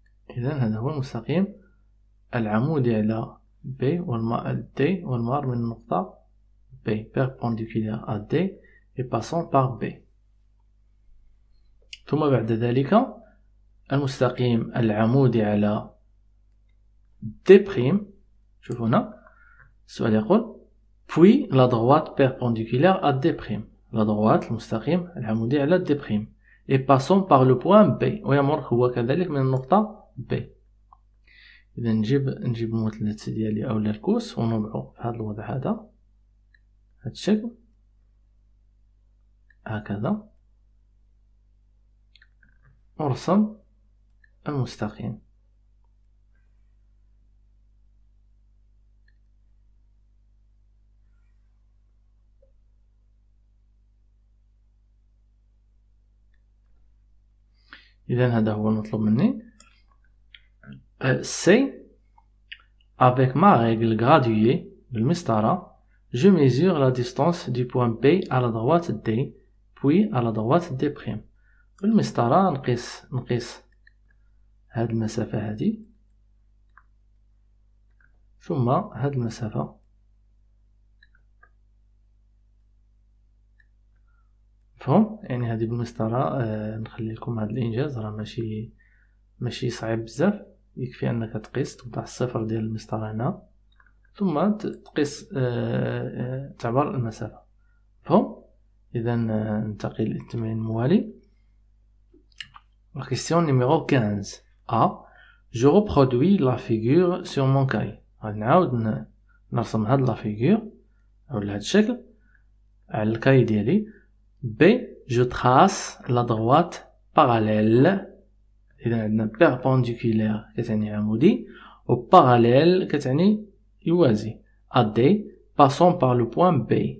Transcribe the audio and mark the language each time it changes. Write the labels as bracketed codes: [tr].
[ar] إذن هذا هو المستقيم العمودي على B والD والمار من النقطة B [fr] perpendicular à D et passant par B. [ar] ثم بعد ذلك المستقيم العمودي على D prime. شوف هنا السؤال يقول [fr] puis la droite perpendiculaire à D prime. La droite [ar] المستقيم العمودي على [fr] D prime et passant par le point B. [ar] ويمر هو كذلك من النقطة B. إذا نجيب المثلث ديالي أو الكوس ونوضعو في هذا الوضع, هذا الشكل هكذا, ورسم المستقيم. إذا هذا هو المطلوب مني. [fr] C avec ma règle graduée de Mistara, je mesure la distance du point B à la droite D puis à la droite D prime. [ar] Le Mistara نقيس هذه المسافة هذه ثم هذه المسافة فهم, يعني هذه بالمسطرة. نخلي لكم هذا الإنجاز, راه ماشي صعيب بزاف. يكفي أنك تقيس توضع الصفر ديال المسطرة هنا ثم تقيس تعبر المسافة. فهم؟ إذا ننتقل للتمرين الموالي. [fr] La question numéro 15. A. Je reproduis la figure sur mon cahier. [ar] نعاود نرسم هاد لا فيغور أو هاد الشكل على الكاي ديالي. [fr] B. Je trace la droite parallèle. [ar] إذا عندنا perpendiculaire كتعني عمودي و parallèle كتعني يوازي [fr] à D passant par le point B.